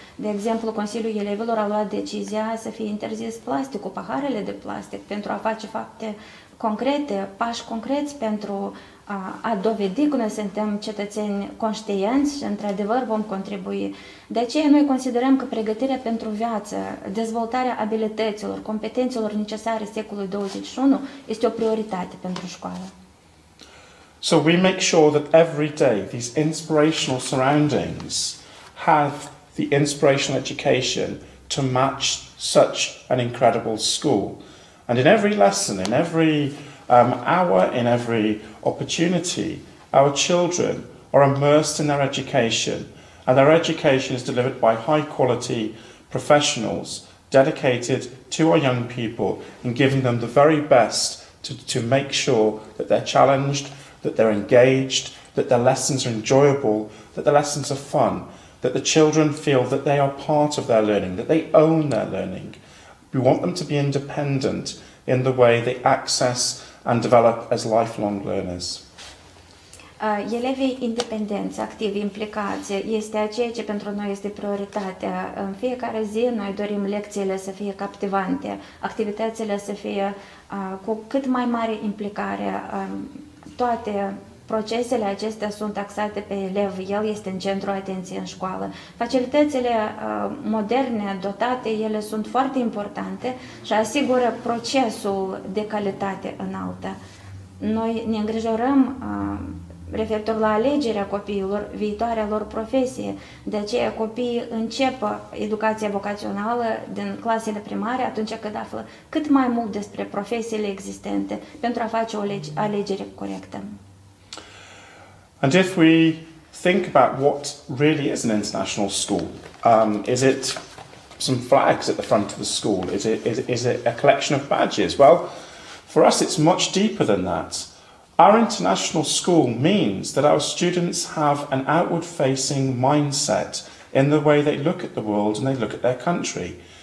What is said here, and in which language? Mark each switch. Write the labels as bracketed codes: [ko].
[ro] De exemplu, Consiliul Elevilor a luat decizia să fie interzis plasticul, paharele de plastic, pentru a face fapte concrete, pași concreți pentru a dovedi că noi suntem cetățeni conștienți și într-adevăr vom contribui. De aceea noi considerăm că pregătirea pentru viață, dezvoltarea abilităților, competențelor necesare secolului 21 este o prioritate pentru școală. [en] So we make sure that every day these inspirational surroundings have the inspirational education to match such an incredible school. And in every lesson, in every hour, in every opportunity, our children are immersed in their education. And their education is delivered by high quality professionals dedicated to our young people and giving them the very best to make sure that they're challenged, that they're engaged, that their lessons are enjoyable, that the lessons are fun, that the children feel that they are part of their learning, that they own their learning. We want them to be independent in the way they access and develop as lifelong learners. [ro] Elevii independenți, activi, implicați, este ceea ce pentru noi este prioritatea. În fiecare zi noi dorim lecțiile să fie captivante, activitățile să fie cu cât mai mare implicare. Toate procesele acestea sunt axate pe elev, el este în centrul atenției în școală. Facilitățile moderne, dotate, ele sunt foarte importante și asigură procesul de calitate înaltă. Noi ne îngrijorăm referitor la alegerea copiilor, viitoarea lor profesie. De aceea copiii încep educația vocațională din clasele primare atunci când află cât mai mult despre profesiile existente pentru a face o alegere corectă. [en] And if we think about what really is an international school, is it some flags at the front of the school? Is it a collection of badges? Well, for us it's much deeper than that. Our international school means that our students have an outward-facing mindset in the way they look at the world and they look at their country.